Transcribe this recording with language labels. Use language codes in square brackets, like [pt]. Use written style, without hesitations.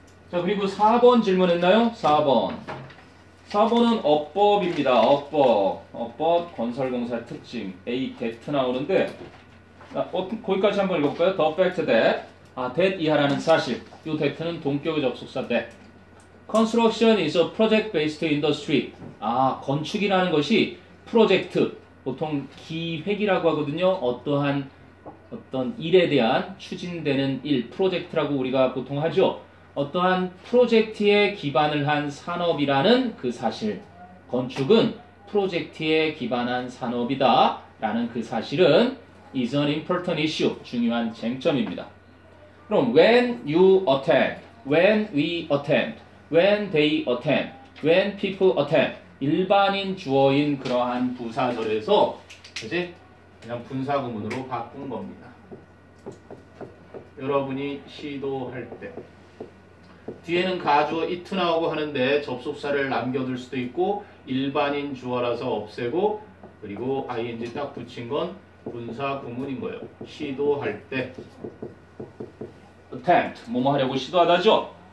[ko] 자, 그리고 4번 질문했나요? 4번. 4번은 어법입니다. 어법. 어법 건설공사 특징. A, that 나오는데 거기까지 한번 읽어볼까요? [en] The fact that. [ko] 아, that 이하라는 사실. 이 that는 동격의 접속사 that. [en] Construction is a project-based industry. [ko] 아, 건축이라는 것이 프로젝트, 보통 기획이라고 하거든요. 어떠한 어떤 일에 대한 추진되는 일, 프로젝트라고 우리가 보통 하죠. 어떠한 프로젝트에 기반을 한 산업이라는 그 사실. 건축은 프로젝트에 기반한 산업이다 라는 그 사실은 [en] is an important issue, [ko] 중요한 쟁점입니다. 그럼 [en] when you attempt, when we attempt, when they attempt, when people attempt, [ko] 일반인 주어인 그러한 부사절에서 이제 그냥 분사구문으로 바꾼 겁니다. 여러분이 시도할 때 뒤에는 가주어 it 나오고 하는데 접속사를 남겨둘 수도 있고 일반인 주어라서 없애고 그리고 ing 딱 붙인 건 분사구문인 거예요. 시도할 때 attempt 뭐뭐 하려고 시도하다죠.